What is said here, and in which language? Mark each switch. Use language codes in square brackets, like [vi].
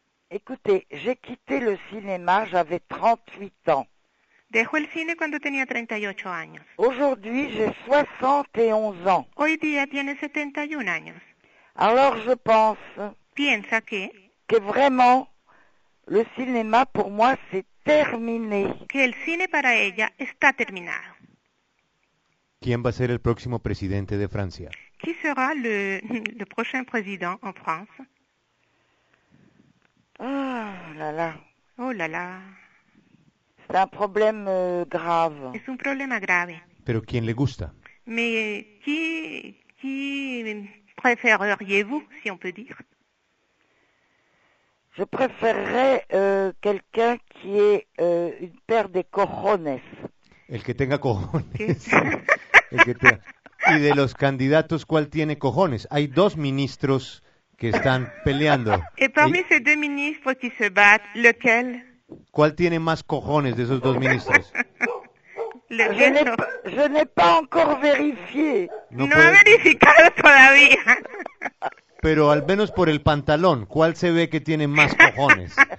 [fr] Écoutez, j'ai quitté le cinéma, j'avais 38 ans. [es] Dejó el cine cuando tenía 38 años. [fr] Aujourd'hui, j'ai 71 ans. [es] Hoy día tiene 71 años. [fr] Alors, je pense. [es] Piensa que. [fr] Que vraiment. Le cinéma pour moi c'est terminé. [es] Que el cine para ella está terminado. ¿Quién va a ser el próximo presidente de Francia? [fr] Qui sera le prochain président en France? Oh là là. Oh là là. C'est un problème grave. [es] Es un problema grave. Pero ¿quién le gusta? [fr] Mais qui préféreriez-vous, si on peut dire? Je préférerais quelqu'un qui est une paire de cojones. [es] El que tenga cojones. El que tenga. Y de los candidatos, ¿cuál tiene cojones? Hay dos ministros que están peleando. [fr] Y parmi ces deux ministres qui se battent, lequel? [es] ¿Cuál tiene más cojones de esos dos ministros? [fr] Je n'ai pas encore vérifié. [es] No ha verificado todavía. Pero al menos por el pantalón, ¿cuál se ve que tiene más cojones?